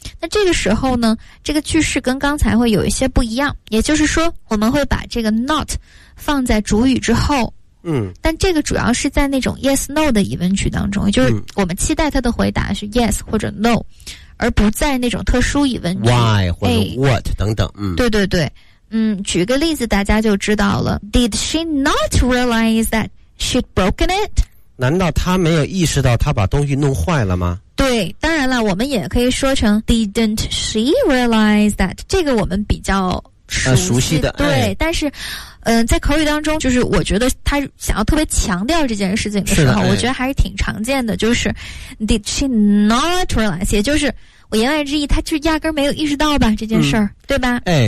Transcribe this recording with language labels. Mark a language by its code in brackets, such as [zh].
[zh] 那这个时候呢，这个句式跟刚才会有一些不一样，也就是说我们会把这个 not 放在主语之后。但这个主要是在那种 yes no 的疑问句当中，就是我们期待他的回答是 yes 或者 no, 而不在那种特殊疑问句 why 或者 what 等等。对对对，举个例子大家就知道了。 [en] Did she not realize that she'd broken it? [zh] 难道她没有意识到她把东西弄坏了吗？对，当然了，我们也可以说成 [en] Didn't she realize that, [zh] 这个我们比较熟悉的。对，但是在口语当中，就是我觉得他想要特别强调这件事情的时候，我觉得还是挺常见的，就是 [en] Did she not realize, [zh] 也就是我言外之意他就压根没有意识到吧这件事儿，对吧。